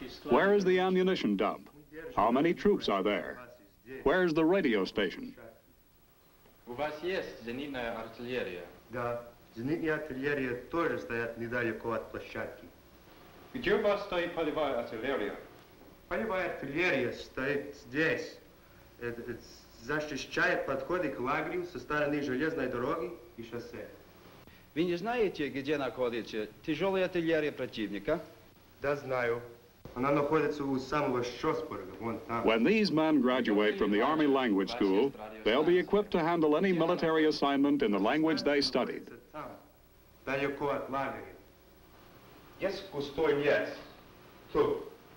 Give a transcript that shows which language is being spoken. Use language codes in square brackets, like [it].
[en] Where is the ammunition dump? How many troops are there? Where's the radio station? [ru] У вас есть зенитная артиллерия? Да, зенитные артиллерии тоже стоят недалеко от площадки. Где у вас стоит полевая артиллерия? Полевая артиллерия стоит здесь. Защищает подходы к лагерю со стороны железной дороги и шоссе. Вы не знаете, где находится тяжелая артиллерия противника? Да, знаю. Она находится у самого Шосберга, вон там. [en] When these men graduate from the Army Language School, they'll be equipped to handle any military assignment in the language they studied. [ru] Далеко от лагеря. Есть густой лес. Тут.